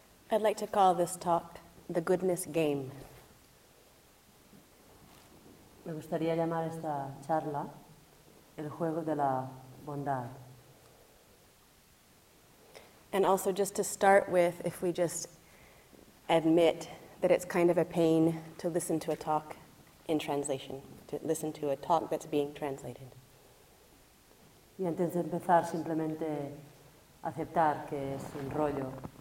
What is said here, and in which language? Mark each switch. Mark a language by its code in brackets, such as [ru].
[en] I'd like to call this talk The Goodness Game. [es] Me gustaría llamar esta charla El Juego de la Bondad. [en] And also just to start with, if we just admit that it's kind of a pain to listen to a talk in translation, to listen to a talk that's being translated. [es] Y antes de empezar, simplemente aceptar que es un rollo.